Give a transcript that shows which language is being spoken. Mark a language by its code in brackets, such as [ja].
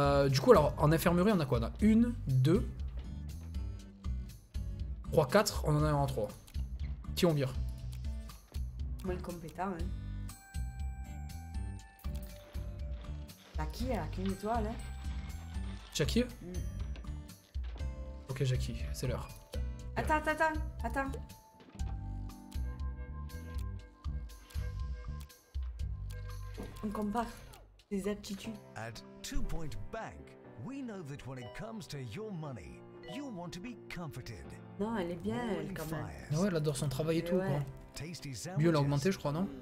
[fr] Du coup, alors, en infirmerie, on a quoi? On a 1, 2, 3, 4, on en a un en 3. Qui on vire? Moins compétent, hein. Jackie, qu'une étoile, hein. Jackie? Ok, Jackie, c'est l'heure. Attends, attends, attends, attends. On compare. Des aptitudes. [en] At Two Point Bank, we know that when it comes to your money, you want to be comforted. [fr] Non, elle est bien, elle, quand même. Ouais, elle adore son travail et tout, ouais. Quoi. Mieux l'a augmenté, je crois, non?